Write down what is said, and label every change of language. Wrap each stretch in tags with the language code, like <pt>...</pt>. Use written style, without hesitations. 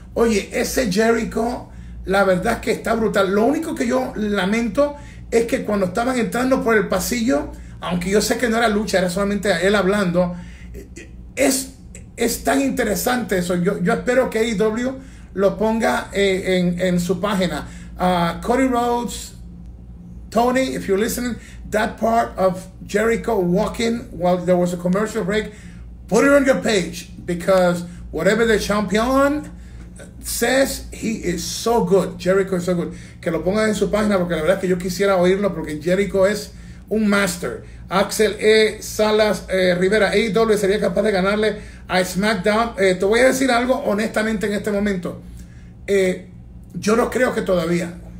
<es>Oye, ese Jericho, la verdad es que está brutal. Lo único que yo lamento es que cuando estaban entrando por el pasillo, aunque yo sé que no era lucha, era solamente él hablando, es tan interesante eso. Yo espero que AEW lo ponga en su página.</es> <en>Cody Rhodes: Tony, if you're listening, that part of Jericho walking while there was a commercial break, put it on your page, because whatever the champion says, he is so good. Jericho is so good.</en> <es>Que lo pongan en su página, porque la verdad es que yo quisiera oírlo, porque Jericho es un master. Axel E. Salas Rivera: AEW sería capaz de ganarle a SmackDown. Te voy a decir algo honestamente en este momento. Yo no creo que todavía.</es>